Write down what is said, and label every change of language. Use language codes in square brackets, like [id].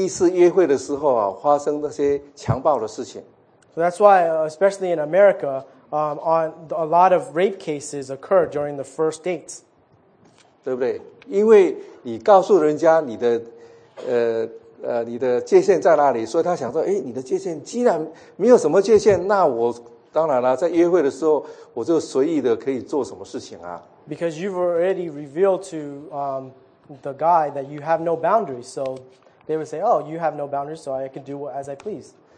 [zh] 所以你看，所以怪不得说很多很多，尤其是在美国，我劝告这些年轻人，很多的第一次约会的时候啊，发生那些强暴的事情。 [en] So that's why, especially in America, a lot of rape cases occur during the first dates. [zh] 对不对? 因为你告诉人家你的界限在哪里，所以他想说，哎，你的界限既然没有什么界限，那我。当然了，在约会的时候，我就随意的可以做什么事情啊。Because [en] you've already revealed to the guy that you have no boundaries, so they would say, "Oh, you have no boundaries, so I can do as I please."